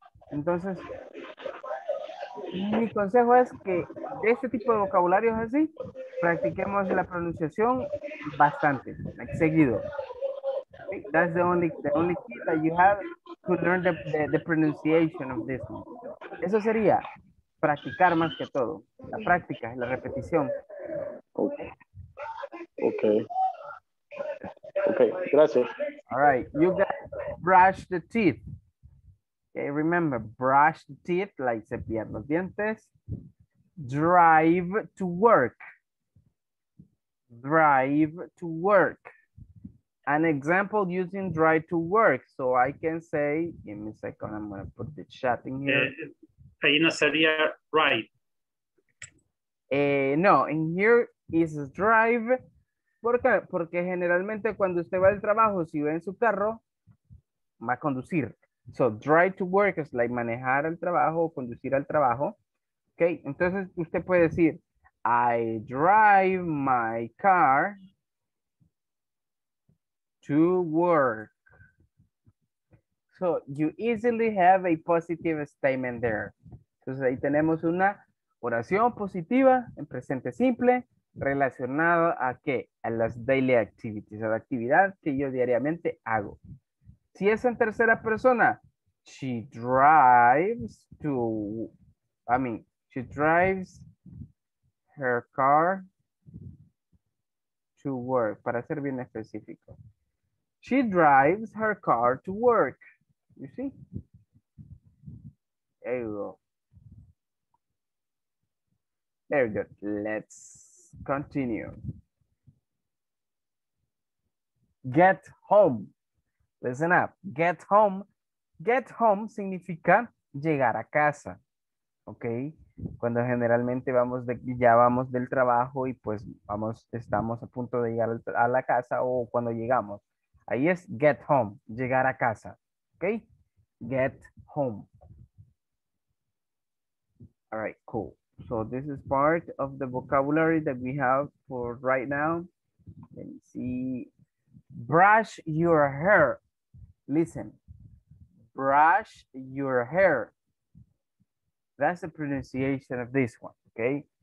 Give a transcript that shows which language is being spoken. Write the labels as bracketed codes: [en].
[es] Entonces, mi consejo es que de este tipo de vocabulario es así, practiquemos la pronunciación bastante, like, seguido. [en] That's the only key that you have to learn the pronunciation of this one. [es] Eso sería practicar más que todo, la práctica, la repetición. Okay, gracias. [en] All right, you got brush the teeth. Okay, remember, brush the teeth, like [es] cepillar los dientes. [en] Drive to work. Drive to work. An example using drive to work. So I can say, give me a second, I'm going to put the chat in here. [es] Ahí no sería drive. [en] No, in here is drive. [es] ¿Por qué? Porque generalmente cuando usted va al trabajo, si va en su carro, va a conducir. [en] So, drive to work is like [es] manejar al trabajo, conducir al trabajo. [en] Okay, [es] entonces usted puede decir, [en] I drive my car to work. So, you easily have a positive statement there. [es] Entonces ahí tenemos una oración positiva en presente simple relacionada a qué? A las [en] daily activities, [es] a la actividad que yo diariamente hago. Si es en tercera persona, [en] she drives to, I mean, she drives her car to work. [es] Para ser bien específico. [en] She drives her car to work. You see? There you go. Very good. Let's continue. Get home. Listen up. Get home. [es] Get home significa llegar a casa, ¿ok? Cuando generalmente ya vamos del trabajo y pues estamos a punto de llegar a la casa o cuando llegamos. Ahí es get home, llegar a casa, ¿ok? [en] Get home. All right, cool. So this is part of the vocabulary that we have for right now. Let me see. Brush your hair. Listen, brush your hair. That's the pronunciation of this one, okay?